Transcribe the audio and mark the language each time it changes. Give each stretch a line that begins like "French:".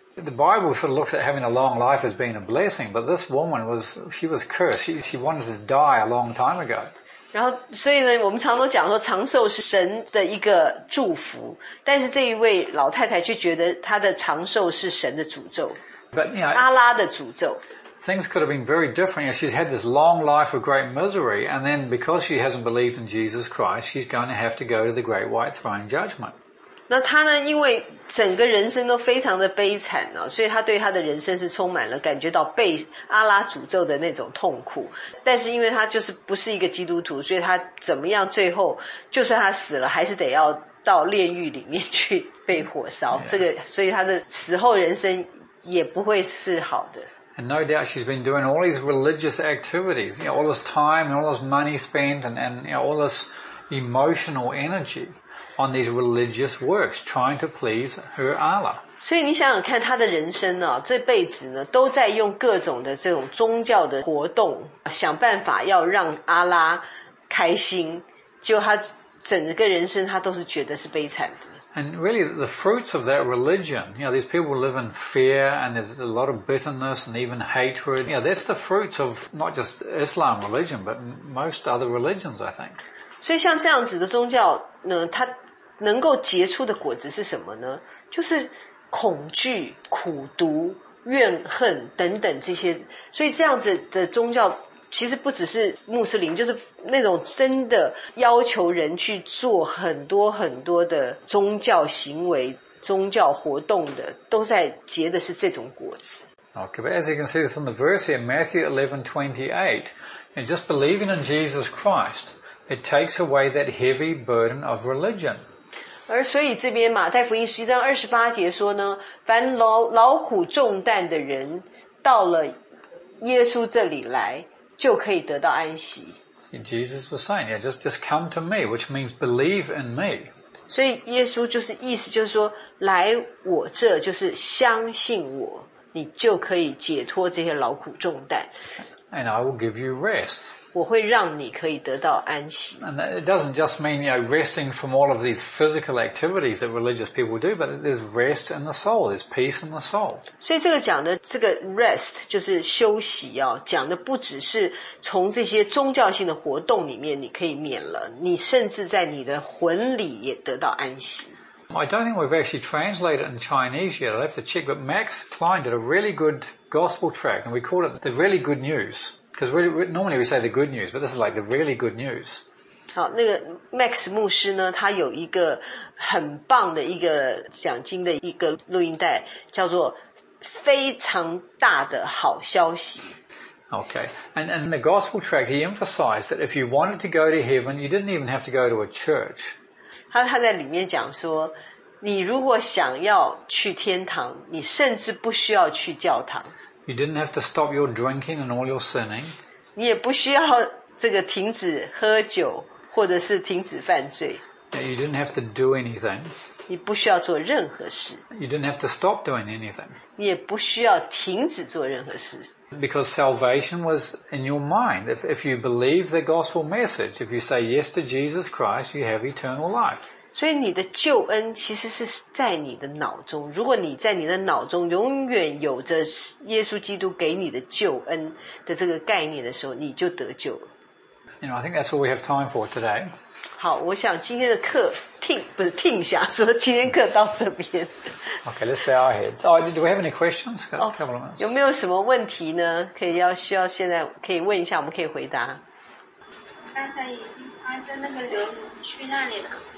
English: The Bible sort of looks at having a long life as being a blessing, but this woman was, she was cursed. She wanted to die a long time ago.
Chinese: 然后所以呢我们常都讲说长寿是神的一个祝福，但是这一位老太太却觉得她的长寿是神的诅咒。
English: But, you know,
Chinese: 阿拉的诅咒。
English: Things could have been very different. She's had this long life of great misery, and then because she hasn't believed in Jesus Christ, she's going to have to go to the great white throne judgment.
Chinese: 那她呢因为整个人生都非常的悲惨哦，所以她对她的人生是充满了感觉到被阿拉诅咒的那种痛苦，但是因为她就是不是一个基督徒，所以她怎么样最后就算她死了还是得要到炼狱里面去被火烧、yeah. 这个所以她的死后人生也不会是好的。
English: And no doubt she's been doing all these religious activities, you know, all this time and all this money spent and you know, all this emotional energyOn these religious works, trying to please her Allah.
Chinese: 所以你想想看，她的人生呢，这辈子呢，都在用各种的这种宗教的活动，想办法要让阿拉开心。结果她整个人生，她都是觉得是悲惨的。
English: And really, the fruits of that religion, you know, these people live in fear, and there's a lot of bitterness and even hatred. You know, that's the fruits of not just Islam religion, but most other religions, I think.
Chinese: 所以像这样子的宗教呢，它能够结出的果子是什么呢？就是恐惧、苦毒、怨恨等等这些。所以这样子的宗教其实不只是穆斯林，就是那种真的要求人去做很多很多的宗教行为、宗教活动的，都在结的是这种果子。
English: Okay, but as you can see from the verse here, Matthew 11:28, and just believing in Jesus Christ. It takes away that heavy burden of religion.
Chinese: 而所以这边马太福音11:28说呢，凡劳苦重担的人到了耶稣这里来，就可以得到安息。
English: See, Jesus was saying, yeah, just come to me, which means believe in me.
Chinese: 所以耶稣就是意思就是说，来我这就是相信我，你就可以解脱这些劳苦重担。
English: And I will give you rest.
Chinese: 我会让你可以得到安息。
English: And it doesn't just mean, you know, resting from all of these physical activities that religious people do, but there's rest in the soul, there's peace in the soul.
Chinese: 所以这个讲的这个 rest 就是休息哦，讲的不只是从这些宗教性的活动里面你可以免了，你甚至在你的魂里也得到安息。
English: I don't think we've actually translated in Chinese yet. I'll have to check. But Max Klein did a really good gospel track, and we call it the really good news. Because normally we say the good news, but this is like the really good news.
Chinese: 好，那个 Max 牧师呢，他有一个很棒的一个讲经的一个录音带，叫做《非常大的好消息》。
English: Okay, and the gospel tract, he emphasized that if you wanted to go to heaven, you didn't even have to go to a church.
Chinese: 他在里面讲说，你如果想要去天堂，你甚至不需要去教堂。
English: You didn't have to stop your drinking and all your sinning.
Chinese: 你也不需要这个停止喝酒或者是停止犯罪。
English: You didn't have to do anything.
Chinese: 你不需要做任何事。
English: You didn't have to stop doing anything.
Chinese: 你也不需要停止做任何事。
English: Because salvation was in your mind. If you believe the gospel message, if you say yes to Jesus Christ, you have eternal life.
Chinese: 所以你的救恩其实是在你的脑中，如果你在你的脑中永远有着耶稣基督给你的救恩的这个概念的时候，你就得救了。
English: You know, I think that's all we have time for today.
Chinese: 好，我想今天的课听不是听一下说今天课到这边。
English: Okay, let's bow our heads. Oh, do we have any questions? A couple of minutes.
Chinese: 有没有什么问题呢？可以要需要现在可以问一下，我们可以回答。刚才已经发在那个流去那里了，